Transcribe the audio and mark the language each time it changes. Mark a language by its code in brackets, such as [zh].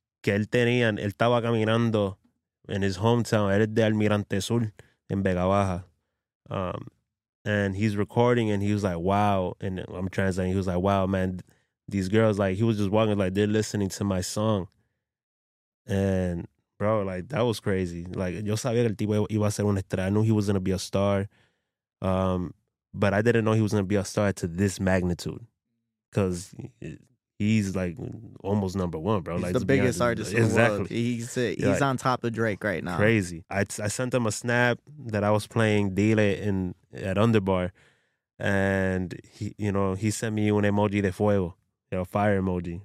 [es] Que él tenía, él estaba caminando [en] in his hometown. [es] Era de Almirante Sur en Vega Baja. [en] And he's recording, and he was like, wow. And I'm translating. He was like, wow, man. These girls, like, he was just walking, like, they're listening to my song. And, bro, like, that was crazy. [es] Like, yo sabía que el tipo iba a ser un estrella. [en] I knew he was going to be a star. But I didn't know he was going to be a star to this magnitude, because he's like almost number one, bro. He's like the biggest artist in exactly. the world. He's like, on top of Drake right now. Crazy. I sent him a snap that I was playing Dile at Underbar, and he sent me an emoji [es] de fuego, [en] you know, fire emoji.